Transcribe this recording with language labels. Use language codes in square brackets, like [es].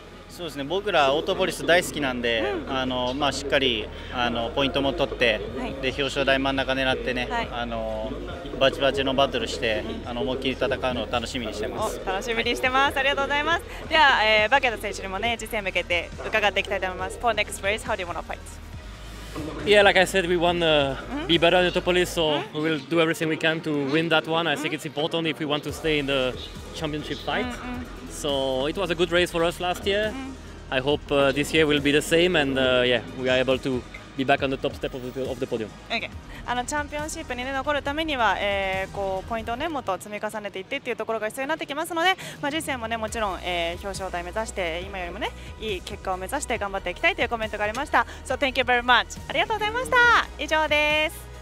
[ja] そうですね、僕らオートポリス大好きなんで、まあ、しっかりポイントも取って、はい、で表彰台真ん中狙ってね、はい、バチバチのバトルして、思いっきり戦うのを楽しみにしてます。楽しみにしてます。ありがとうございます。では、バケット選手にもね、次戦向けて伺っていきたいと思います。 [en] For next race, how do you want to fight? Yeah, like I said, we want to be better at Autopolis, so we will do everything we can to win that one. I think it's important if we want to stay in the championship fight. So it was a good race for us last year. I hope this year will be the same, and yeah, we are able to be back on the top step of the podium. Okay. [ja] チャンピオンシップに、ね、残るためには、こうポイントを、ね、もっと積み重ねていってっていうところが必要になってきますので、まあ、次戦も、ね、もちろん、表彰台目指して今よりも、ね、いい結果を目指して頑張っていきたいというコメントがありました。 [en] So thank you very much. [ja] ありがとうございました。以上です。